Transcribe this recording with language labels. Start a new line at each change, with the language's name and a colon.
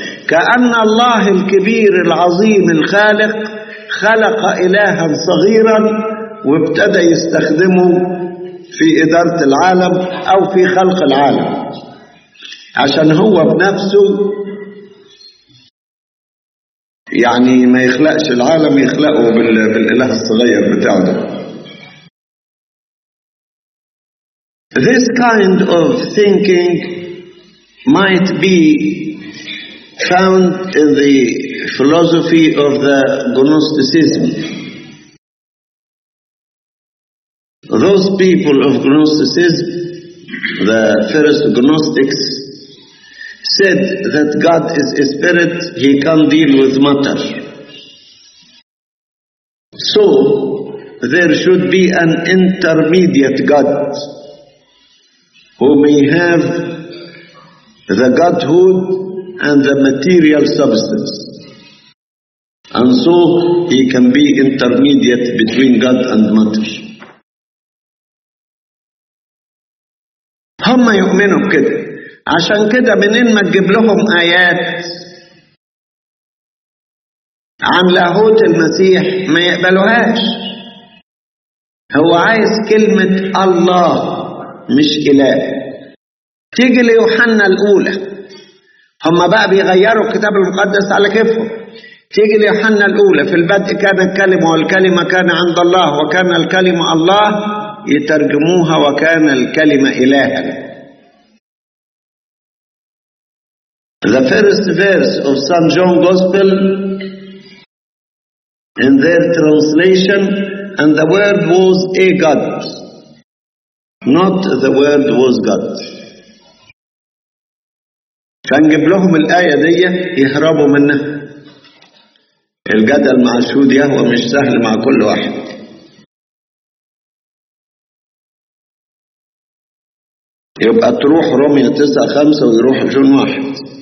Arabic: كأن الله الكبير العظيم الخالق خلق إلها صغيرا وابتدى يستخدمه في إدارة العالم او في خلق العالم، عشان هو بنفسه يعني ما يخلقش العالم، يخلقه بالإله الصغير بتاعه ده.
English: This kind of thinking might be found in the philosophy of the Gnosticism. Those people of Gnosticism, the first Gnostics, said that God is a spirit, he can't deal with matter. So, there should be an intermediate God who may have the Godhood and the material substance. And so, he can be intermediate between God and matter.
Arabic: هم يؤمنوا بكده. عشان كده منين ما تجيب لهم آيات عن لاهوت المسيح ما يقبلوهاش. هو عايز كلمة الله مش إله. تيجي ليوحنا الأولى، هما بقى بيغيروا الكتاب المقدس على كيفهم. تيجي ليوحنا الأولى، في البدء كان الكلمة والكلمة كان عند الله وكان الكلمة الله، يترجموها وكان الكلمة إلها.
English: The first verse of St. John Gospel in their translation: and the word was a God, not the word was God.
Arabic: فنجيب لهم الآية دي يهربوا منها. الجدل مع الشهود يهوى مش سهل مع كل واحد. يبقى تروح رومية 9:5 ويروح جون 1.